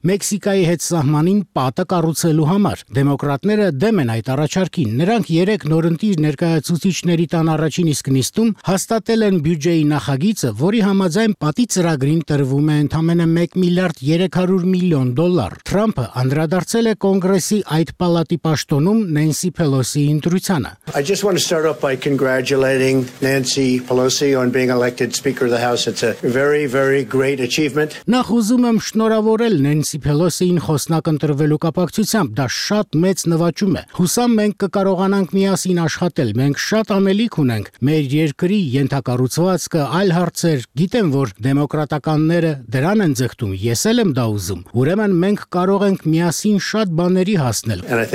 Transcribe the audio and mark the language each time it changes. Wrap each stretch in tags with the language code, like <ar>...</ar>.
<hy>Մեքսիկայի հետ սահմանին պատը կառուցելու համար։ Դեմոկրատները դեմ են այդ առաջարկին։ Նրանք երեք նորընտիր ներկայացուցիչների տան առաջին իսկ նիստում հաստատել են բյուջեի նախագիծը, որի համաձայն պատի ծրագրին տրվում է ընդամենը 1 միլիարդ 300 միլիոն դոլար։ Թրամփը անդրադարձել է կոնգրեսի այդ պալատի պաշտոնում Նենսի Փելոսի ընտրությանը։</hy> <en>I just want to start off by congratulating Nancy Pelosi on being elected Speaker of the House. It's a very, very great achievement.</en> <hy>Նախ ուզում եմ շնորհավորել Նենսի Փելոսին խոսնակ ընտրվելու կապակցությամբ, դա շատ մեծ նվաճում է։ Հուսամ մենք կկարողանանք միասին աշխատել, մենք շատ ամելիք ունենք մեր երկրի ենթակառուցվածքը, այլ հարցեր, գիտեմ, որ դեմոկրատականները դրան են ձգտում, ես էլ եմ դա ուզում, ուրեմն մենք կարող ենք միասին շատ բաների հասնել։</hy>